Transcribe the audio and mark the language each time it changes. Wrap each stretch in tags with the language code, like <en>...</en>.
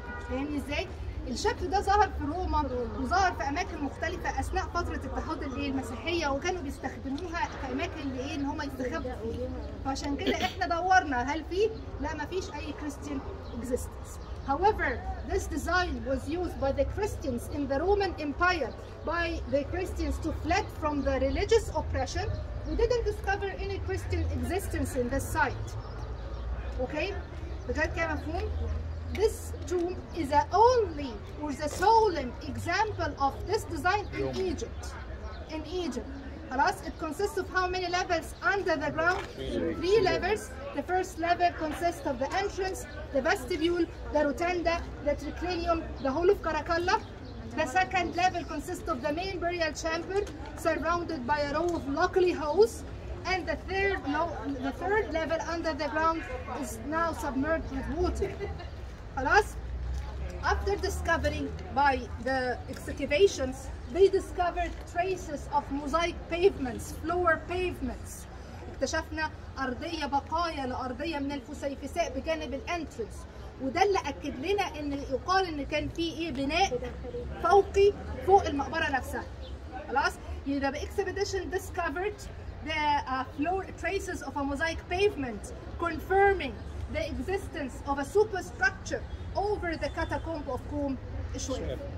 <ar>فاهمني ازاي؟ الشكل ده ظهر في روما وظهر في اماكن مختلفه اثناء فتره اضطهاد الايه المسيحيه، وكانوا بيستخدموها في اماكن لايه ان هم يستخبوا فيها. فعشان كده احنا دورنا هل في؟ لا، ما فيش اي</ar> <en>Christian existence. However, this design was used by the Christians in the Roman Empire by the Christians to fled from the religious oppression. We didn't discover any Christian existence in this site. Okay?</en> <ar>بجد كده مفهوم؟</ar> <en>This tomb is the only or the example of this design in Egypt. In Egypt. Plus, it consists of how many levels under the ground? Three levels. The first level consists of the entrance, the vestibule, the rotunda, the triclinium, the hall of Caracalla. The second level consists of the main burial chamber, surrounded by a row of locally holes. And the third level under the ground is now submerged with water. Plus, after discovering by the excavations, they discovered traces of mosaic pavements, floor pavements.</en> <ar>اكتشفنا أرضية بقايا لأرضية من الفسيفساء بجانب الانترنس. وده اللي أكد لنا إن يقال إن كان في إيه بناء فوقي فوق المقبرة نفسها.</ar> <en>خلاص؟ The expedition discovered the floor traces of a mosaic pavement, confirming the existence of a superstructure over the catacomb of كوم الشقيفة.</en>